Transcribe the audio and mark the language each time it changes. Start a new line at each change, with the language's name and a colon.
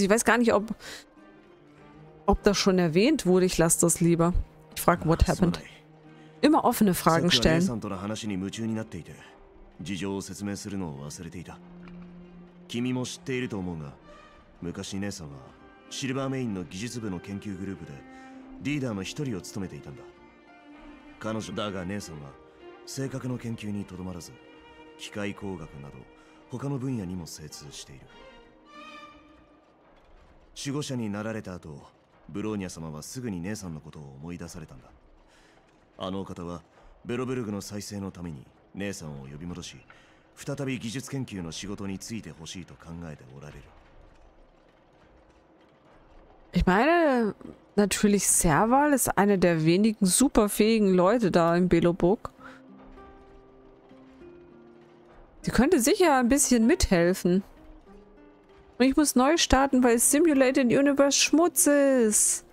German: Ich weiß gar nicht, ob das schon erwähnt wurde. Ich lasse das lieber. Ich frage,
English: what happened?
German: Immer offene Fragen stellen.
Japanese: さっきは姉さんとの話に夢中になっていて、事情を説明するのを忘れていた。君も知っていると思うが、昔姉さんはシルバーメインの技術部の研究グループでリーダーの一人を務めていたんだ。彼女だが姉さんは性格の研究にとどまらず、 他の分野にも精通している。守護者になられた後、ブローニャ様はすぐに姉さんのことを思い出されたんだ。あのお方はベロブルグの再生のために姉さんを呼び戻し、再び技術研究の仕事について欲しいと考えておられる。
German: Ich meine, natürlich Serval ist einer der wenigen superfähigen Leute da in Beloburg. Sie könnte sicher ein bisschen mithelfen. Und ich muss neu starten, weil Simulated Universe Schmutz ist.